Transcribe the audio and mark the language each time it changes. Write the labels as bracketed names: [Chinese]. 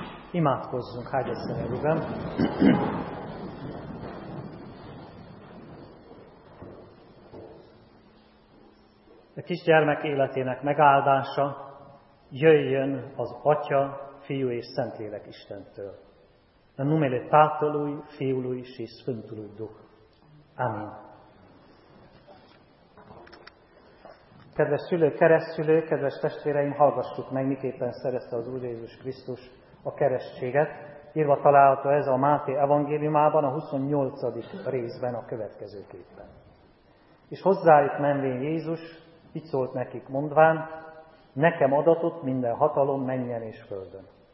[Hungarian] Imádkozzunk, hágyasszony előben. A kisgyermek életének megáldása jöjjön az Atya, Fiú és Szentlélek Istentől. [Romanian] A numele Tatălui, Fiului și Sfântului Duh. Amin. [Hungarian] Kedves szülők, keresztszülők, kedves testvéreim, hallgassuk meg, miképpen szerezte az Úr Jézus Krisztus a keresztséget. Írva található ez a Máté evangéliumában, a 28. részben a következőképpen. És hozzájuk menvén Jézus, így szólt nekik mondván, nekem adatot minden hatalom menjen és földön.